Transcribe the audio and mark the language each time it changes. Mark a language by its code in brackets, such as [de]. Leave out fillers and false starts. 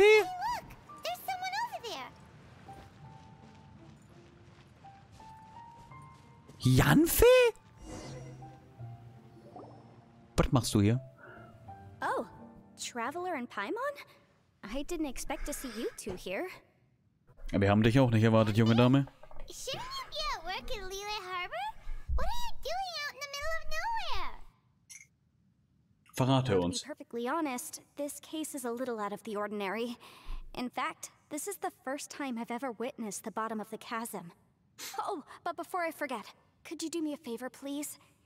[en] Hey, look, there's someone over there. Janfi? [de] Was machst du hier? [en] Traveler and Paimon? I didn't expect to see you two here. [de] Wir haben dich auch nicht erwartet, junge Dame. [en] Shouldn't you be at work in Lille Harbor? What are you doing out in the middle of nowhere? [de] Verrate uns. [en] To be perfectly honest, this case is a little out of the ordinary. In fact, this is the first time I've ever witnessed the bottom of the chasm. Oh, but before I forget, could you do me a favor, please?